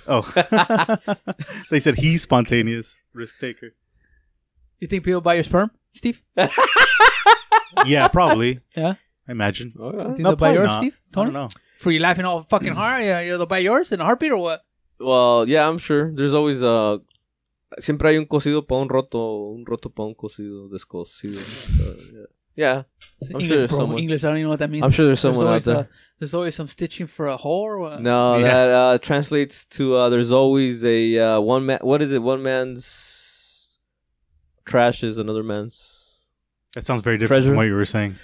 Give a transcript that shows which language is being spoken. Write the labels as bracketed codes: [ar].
[en] Oh. They said he's spontaneous. Risk taker. You think people buy your sperm, Steve? Yeah, probably. Yeah. I imagine. Okay. No, buy yours, not. Steve? Tony? I don't know. For you laughing all fucking hard? Yeah, you'll buy yours in a heartbeat or what? Well, yeah, I'm sure. There's always [es] Siempre hay un cocido pa' un roto pa' un cocido, descocido. [en] Yeah. English, I don't even know what that means. I'm sure there's someone out there. There's always some stitching for a whore? Or what? No, yeah. That translates to there's always a one man. What is it? One man's trash is another man's. That sounds very different treasure. From what you were saying.